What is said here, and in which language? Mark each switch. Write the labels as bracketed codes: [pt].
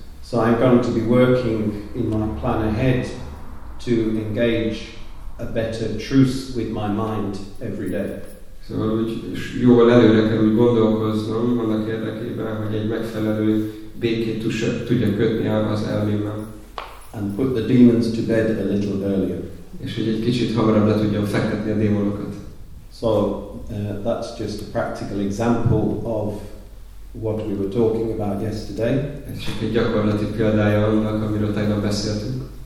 [en] So I'm going to be working in my plan ahead to engage a better truce with my mind every day. [hu] Szóval, hogy jóval előre kell úgy gondolkoznom annak érdekében, arra, hogy egy megfelelő békét tudja kötni az elmémmel. [en] And put the demons to bed a little earlier. [hu] És hogy egy kicsit hamarabb le tudjam fektetni a démonokat. [en] So that's just a practical example of what we were talking about yesterday. [hu] Ez csak egy gyakorlati példája annak, amiről tegnap beszéltünk.